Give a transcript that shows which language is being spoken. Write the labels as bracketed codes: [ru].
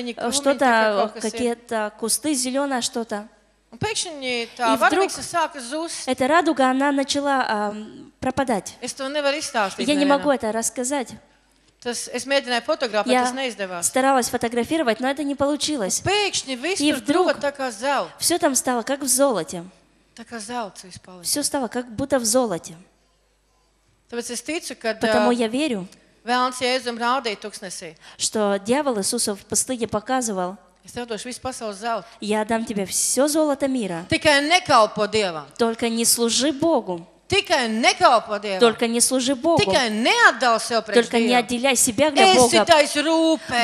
[ru] Что-то, какие-то кусты, зеленое что-то. [lv] Pēkšņi tā varavīksa sāka zust. [ru] Эта радуга, она начала пропадать. [lv] Es to nevaru izstāstīt. [ru] Я не могу это рассказать. [lv] Tas, es mēģināju fotografēt, tas neizdevās. [ru] Я старалась фотографировать, но это не получилось. [lv] Pēkšņi viss tur kļuva tā kā zelts. [ru] Все там стало, как в золоте. [lv] Tā kā zelts viss palika. [ru] Все стало, как будто в золоте. [lv] Tāpēc es ticu, ka... [ru] Потому я верю, [lv] Vēlns Jēzum rādīja tūkstnesī. [ru] Что дьявол Иисусу в пустыне показывал, [lv] Es tev došu visu pasaules zeltu. [ru] Я дам тебе все золото мира. [lv] Tikai nekalpo Dievam. [ru] Только не служи Богу. [lv] Tikai nekalpo Dievam. [ru] Только не служи Богу. [lv] Tikai neatdal sev [ru] preč Только Dievam. Не отделяй себя для Бога. [lv] Esi tais rūpes.